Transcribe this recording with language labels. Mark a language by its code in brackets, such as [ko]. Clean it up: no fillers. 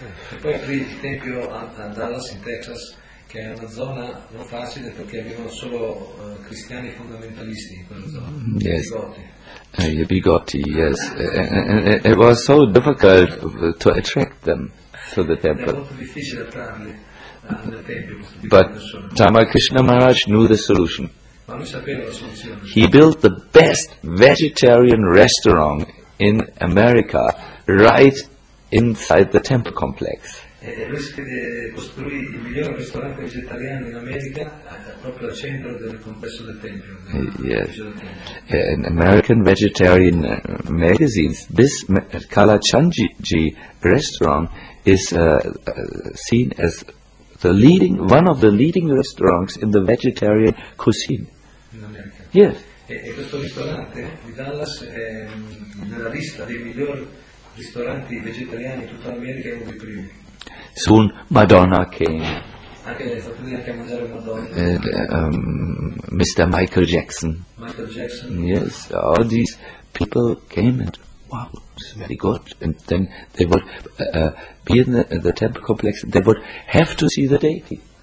[it] E poi aprì il tempio a Dallas in Texas, che è una zona non facile perché avevano solo cristiani fondamentalisti in quella zona. [en] Yes. Bigotti, yes. And it was so difficult to attract them to the temple. [it] È molto difficile attrarli. [en] But Tamalkrishna Maharaj knew the solution. [it] Ma lui sapeva la soluzione. [en] He built the best vegetarian restaurant in America right inside the temple complex. [it] E lui costruì il miglior ristorante vegetariano in America proprio al centro del complesso del tempio. [en] Yes. In American vegetarian magazines, this Kalachanji restaurant is seen as one of the leading restaurants in the vegetarian cuisine. In America. Yes. [it] E questo ristorante di Dallas è nella lista dei migliori ristoranti vegetariani in tutta l'America, uno dei primi. [en] Soon Madonna came. [it] Anche gli Stati Uniti anche a mangiare Madonna. [en] Mr. Michael Jackson. Michael Jackson. Yes, all these people came and wow, it's very good. And then they would be in the temple complex, and they would have to see the deity.